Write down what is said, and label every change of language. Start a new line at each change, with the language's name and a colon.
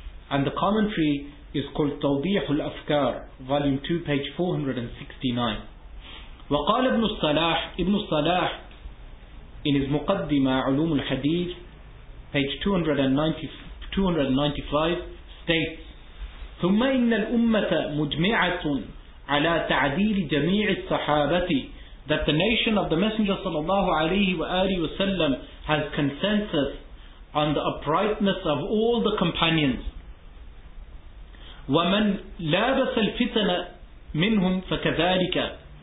English: And the commentary is called Tawdih al-Afkar, volume 2, page 469.
Arabic: وقال ابن الصلاح,
English: Ibn al-Salah, in his Muqaddimah, Ulum al-Hadith, page 295, states,
Arabic: ثم إن الأمة مجمعة على تعديل جميع الصحابة.
English: That the nation of the Messenger sallallahu alayhi wa alihi wasallam has consensus on the uprightness of all the companions.
Arabic: وَمَنْ لَابَسَ الْفِتَنَ مِنْهُمْ فَكَذَٰلِكَ.